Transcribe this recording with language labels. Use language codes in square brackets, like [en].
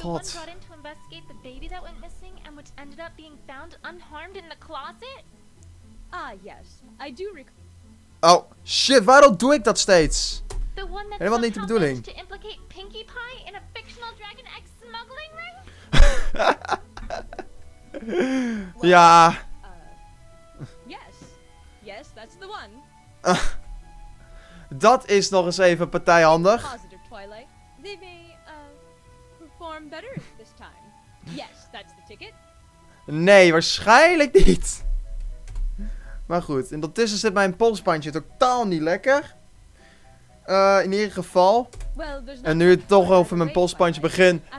[en] The one brought in to investigate the baby that went missing and which ended up being found unharmed in the closet? Ah, yes. I do recall. [nl] Oh, shit, waarom doe ik dat steeds? [en] The one that [nl] helemaal niet de bedoeling. [en] To implicate Pinkie Pie in a fictional Dragon X smuggling ring? Well, ja. Yes. Yes, that's the one. [nl] Dat is nog eens even partijhandig. [en] Positive Twilight. They may, perform better this time. Yes, that's the ticket. [nl] Nee, waarschijnlijk niet. Maar goed, in dat tussen zit mijn polsbandje totaal niet lekker. In ieder geval. Well, en nu het toch over mijn polsbandje begin.